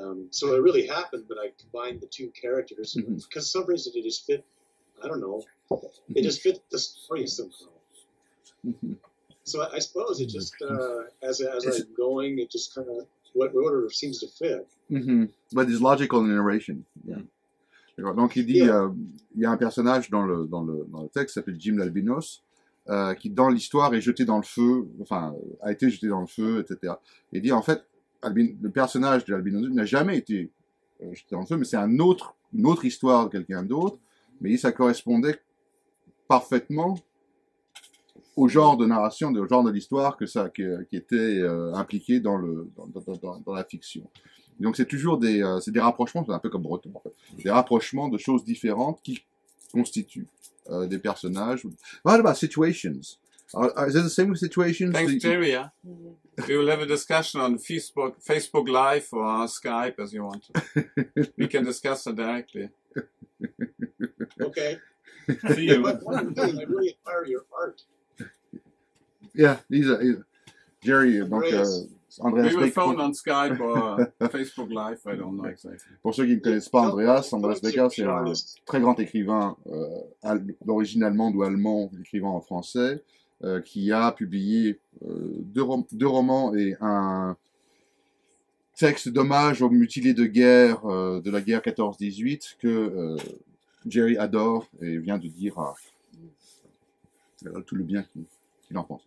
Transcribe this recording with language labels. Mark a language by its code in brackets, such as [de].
[en] So it really happened, but I combined the two characters because for some reason it just fit. I don't know. It just fit the story somehow. So I suppose it just as I'm going, it just kind of what order seems to fit. But it's logical in narration. Yeah. [fr] D'accord. Donc il dit il y a un personnage dans le texte qui s'appelle Jim l'Albinos. Qui dans l'histoire est jeté dans le feu, enfin a été jeté dans le feu, etc. Et dit en fait, le personnage de l'Albino n'a jamais été jeté dans le feu, mais c'est une autre histoire de quelqu'un d'autre. Mais ça correspondait parfaitement au genre de narration, au genre de l'histoire qui était impliqué dans la fiction. Et donc c'est toujours des rapprochements, c'est un peu comme Breton, en fait, des rapprochements de choses différentes qui constituent. Des personnages. [en] What about situations? Is it the same with situations? Thanks, Terry. Yeah. We will have a discussion on Facebook Live or on Skype as you want. We can discuss it directly. Okay. See you. I really admire your art. Yeah, these are Jerry. Andreas, we phone on Skype or Facebook Live, I don't know exactly. [fr] Pour ceux qui ne connaissent pas Andreas Becker, c'est un très grand écrivain d'origine allemande ou allemand, écrivain en français, qui a publié deux romans et un texte d'hommage aux mutilés de guerre de la guerre 14-18 que Jerry adore et vient de dire tout le bien qu'il en pense.